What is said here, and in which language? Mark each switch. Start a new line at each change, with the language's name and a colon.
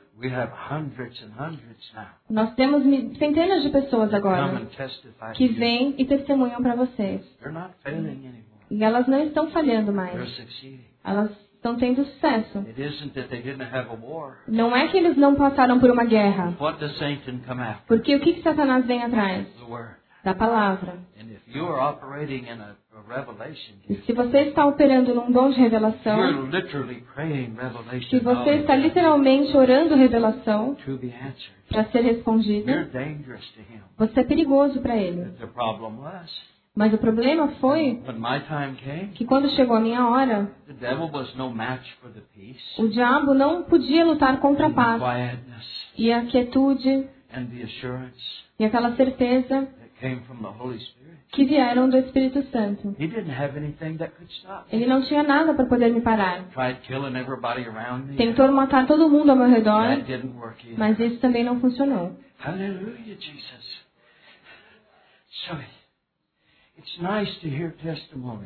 English: We have hundreds and hundreds now.
Portuguese: Nós temos centenas de pessoas agora que vêm e testemunham para vocês.
English: They're not failing anymore.
Portuguese: E elas não estão falhando mais.
English: They're succeeding.
Portuguese: Elas estão tendo sucesso.
English: It isn't that they didn't have a war.
Portuguese: Não é que eles não passaram por uma guerra.
English: What does Satan come after?
Portuguese: Porque o que Satanás vem atrás?
English: The word.
Portuguese: Da palavra.
English: And if you are operating in a revelation,
Portuguese: e se você está operando num dom de revelação,
English: you're literally praying revelation,
Portuguese: se você está literalmente orando revelação
English: to be answered,
Portuguese: para ser respondido,
English: you're dangerous to him.
Portuguese: Você é perigoso para ele.
English: The problem was,
Portuguese: mas o problema foi
English: when my time came,
Portuguese: que quando chegou a minha hora,
English: the devil was no match for the peace,
Portuguese: o diabo não podia lutar contra a paz
English: quietness,
Portuguese: e a quietude
English: and the assurance,
Portuguese: e aquela certeza
English: came from the Holy Spirit.
Portuguese: Que vieram do Espírito Santo.
English: He didn't have anything that could stop.
Portuguese: Ele não tinha nada para poder me parar.
English: Tried killing everybody around me.
Portuguese: Tentou matar todo mundo ao meu redor.
English: That didn't work either.
Portuguese: Mas isso também não funcionou.
English: Hallelujah, Jesus. So, it's nice to hear testimonies.